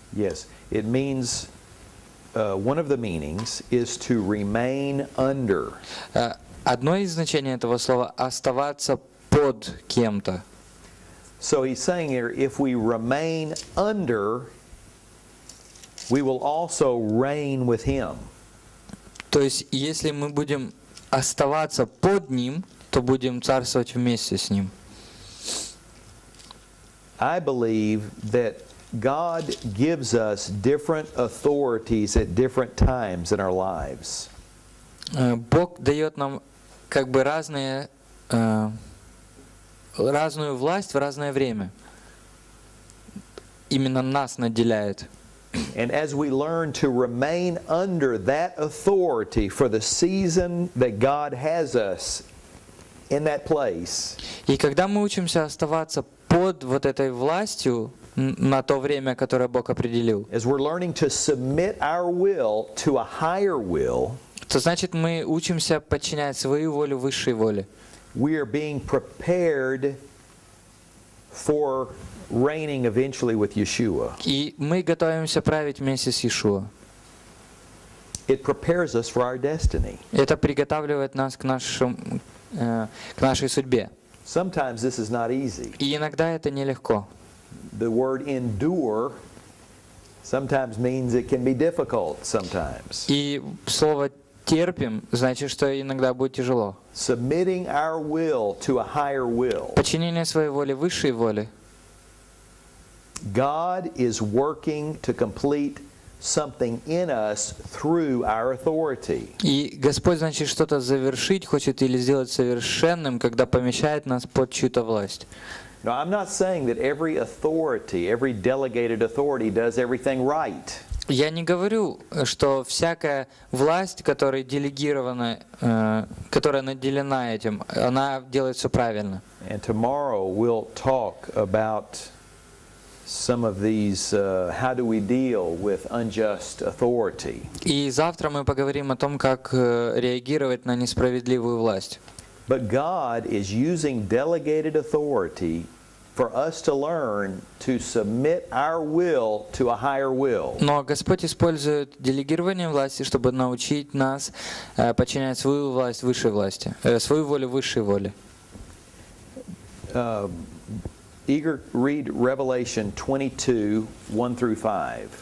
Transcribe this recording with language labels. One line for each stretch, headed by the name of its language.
English: Yes, it means one of the meanings is to remain under.
Russian: Одно из значений этого слова оставаться под кем-то.
English: So he's saying here, if we remain under, we will also reign with him.
Russian: То есть если мы будем оставаться под ним, то будем царствовать вместе с ним.
English: I believe that God gives us different authorities at different times in our lives.
Russian: Бог дает нам как бы разные разную власть в разное время. Именно нас наделяет.
English: And as we learn to remain under that authority for the season that God has us in that place.
Russian: И когда мы учимся оставаться под вот этой властью на то время, которое Бог определил.
English: As we're learning to submit our will to a higher will.
Russian: То значит, мы учимся подчинять свою волю высшей воле.
English: We are being prepared for reigning eventually with Yeshua.
Russian: И мы готовимся править вместе с Иешуа.
English: It prepares us for our destiny.
Russian: Это приготавливает нас к к нашей судьбе.
English: Sometimes this is not easy.
Russian: И иногда это нелегко.
English: The word endure sometimes means it can be difficult sometimes.
Russian: И слово терпим значит, что иногда будет тяжело.
English: Submitting our will to a higher will.
Russian: Подчинение своей воли высшей воле.
English: God is working to complete something in us through our authority.
Russian: И Господь значит что-то завершить хочет или сделать совершенным, когда помещает нас под чью-то власть.
English: Now I'm not saying that every authority, every delegated authority does everything right.
Russian: Я не говорю, что всякая власть, которая делегирована, которая наделена этим, она делает все правильно.
English: And tomorrow we'll talk about some of these how do we deal with unjust authority?
Russian: И завтра мы поговорим о том, как реагировать на несправедливую власть.
English: But God is using delegated authority for us to learn to submit our will to a higher will.
Russian: Но Господь использует делегирование власти, чтобы научить нас подчинять свою власть высшей власти, свою волю высшей воле.
English: Eager read Revelation 22, 1 through 5.